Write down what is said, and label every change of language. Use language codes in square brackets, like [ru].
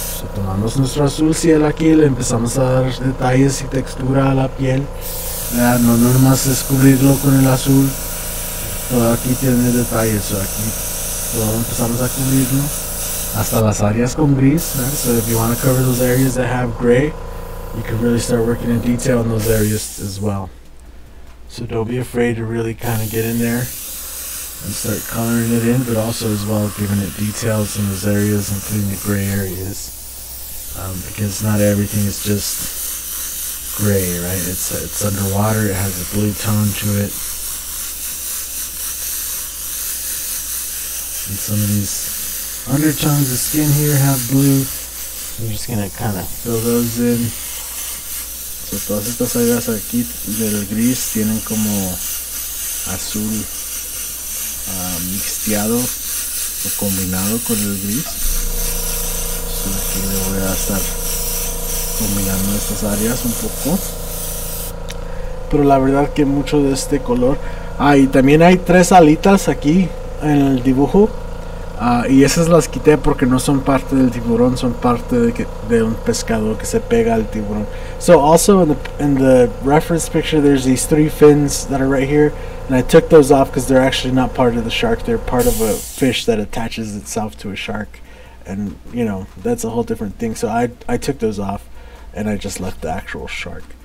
[es] Tomamos nuestro azul cielo aquí, le empezamos a dar detalles y textura a la piel. No nomás es cubrirlo con el azul, todo aquí tiene detalles, aquí todo empezamos a cubrirlo, hasta las áreas con gris, right? [en] So if you want to cover those areas that have gray, you can really start working in detail in those areas as well. So don't be afraid to really kind of get in there and start coloring it in, but also as well giving it details in those areas, including the gray areas. Because not everything is just gray, right? It's underwater, it has a blue tone to it. And some of these undertones of skin here have blue. I'm just gonna kind of fill those in. [es] So todas estas áreas aquí del gris tienen como azul mixteado o combinado con el gris. Aquí le voy a estar combinando estas áreas un poco, pero la verdad que mucho de este color y también hay tres alitas aquí en el dibujo, y esas las quité porque no son parte del tiburón, son parte de un pescado que se pega al tiburón. [en] So also in the reference picture there's these three fins that are right here, and I took those off because they're actually not part of the shark, they're part of a fish that attaches itself to a shark. And, you know, that's a whole different thing. So I took those off, and I just left the actual shark.